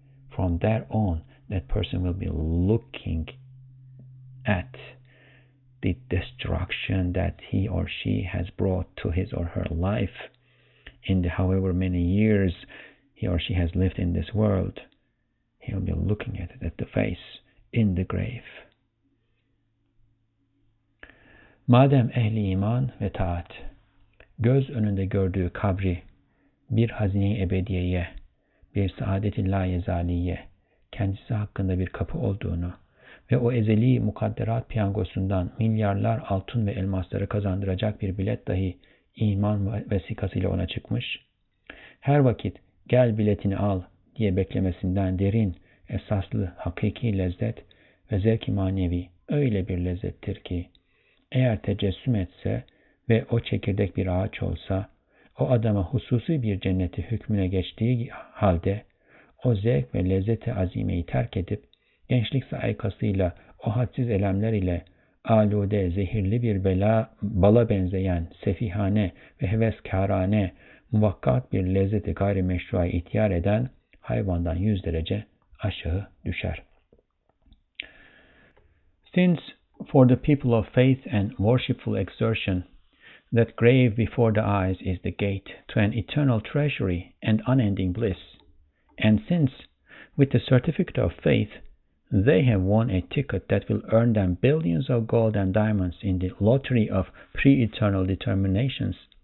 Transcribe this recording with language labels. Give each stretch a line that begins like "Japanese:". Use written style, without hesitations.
English: From there on, that person will be looking at the destruction that he or she has brought to his or her life in the however many years he or she has lived in this world. He'll be looking at it at the face in the grave.
Turkish: Madem ehli iman ve taat göz önünde gördüğü kabri bir hazine-i ebediyeye, bir saadet-i layezaliye, kendisi hakkında bir kapı olduğunu ve o ezeli mukadderat piyangosundan milyarlar altın ve elmasları kazandıracak bir bilet dahi iman vesikasıyla ona çıkmış, her vakit gel biletini al diye beklemesinden derin, esaslı, hakiki lezzet ve zevk-i manevi öyle bir lezzettir ki, eğer tecessüm etse ve o çekirdek bir ağaç olsa, o adama hususi bir cenneti hükmüne geçtiği halde, o zevk ve lezzeti azimeyi terk edip, gençlik saykasıyla, o hadsiz elemler ile, alude, zehirli bir bela, bala benzeyen, sefihane ve heveskârâne, muvakkat bir lezzeti gayrimeşruya ihtiyar eden, hayvandan 100 derece aşağı düşer.
English: Since for the people of faith and worshipful exertion, that grave before the eyes is the gate to an eternal treasury and unending bliss, and since, with the certificate of faith, they have won a ticket that will earn them billions of gold and diamonds in the lottery of pre-eternal determinations,